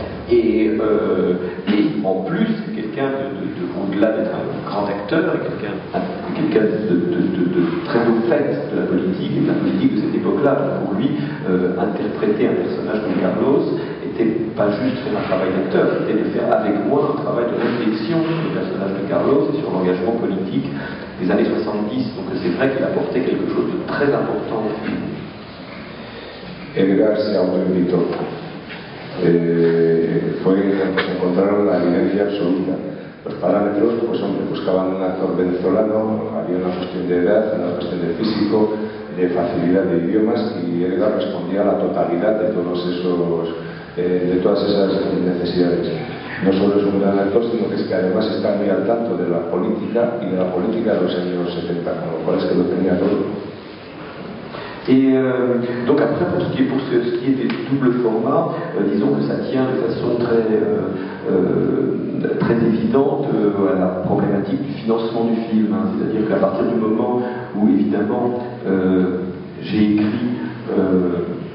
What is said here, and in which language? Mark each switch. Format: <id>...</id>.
<fr>Et en plus, quelqu'un de au-delà d'être un grand acteur, quelqu'un de très au fait de la politique, et de la politique de cette époque-là, pour lui, interpréter un personnage comme Carlos n'était pas juste faire un travail d'acteur, c'était de faire avec moi un travail de réflexion sur le personnage de Carlos et sur l'engagement politique des années 70. Donc c'est vrai qu'il apportait quelque chose de très important au film. Edgar, c'est un peu mythique.</fr> <es>Fue que encontraron la evidencia absoluta. Los parámetros, pues hombre, buscaban un actor venezolano, había una cuestión de edad, una cuestión de físico, de facilidad de idiomas, y Edgar respondía a la totalidad de todos esos, de todas esas necesidades. No solo es un gran actor, sino que es que además está muy al tanto de la política y de la política de los años 70, con lo cual es que lo tenía todo.</es> <fr>Et donc après, pour ce qui est des doubles formats, disons que ça tient de façon très, très évidente à la problématique du financement du film. Hein. C'est-à-dire qu'à partir du moment où, évidemment, j'ai écrit...</fr>